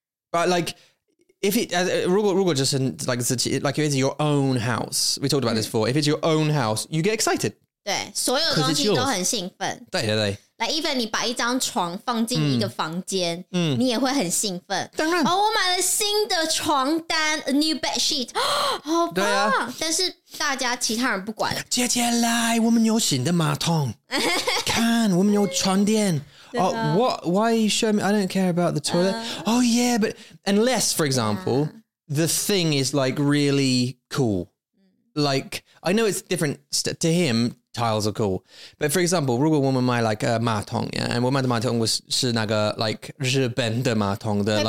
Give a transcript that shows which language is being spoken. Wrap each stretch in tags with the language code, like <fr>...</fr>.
<en>But like, if it</en> <zh>如果就是</zh> <en>like if it's your own house, we talked about this before. If it's your own house, you get excited.</en> <zh>对，所有东西都很兴奋。对对对。 Like even 你把一张床放进一个房间，你也会很兴奋。当然，哦，我买了新的床单 ，</zh> <en>a new bed sheet，</en> <zh>好棒！但是大家其他人不管。姐姐来，我们有新的马桶，看我们有床垫。哦 ，</zh> <en>What? Why are you showing me? I don't care about the toilet. Oh yeah, but unless for example the thing is like really cool, like I know it's different to him.</en> <zh>Tiles are cool.</zh> <en>But for example,</en> <zh>如果我们买</zh> <en>like a</en> <zh>马桶,</zh> <en>yeah, and</en> <zh>我买的马桶 是那个 like 日本的马桶的 like</zh>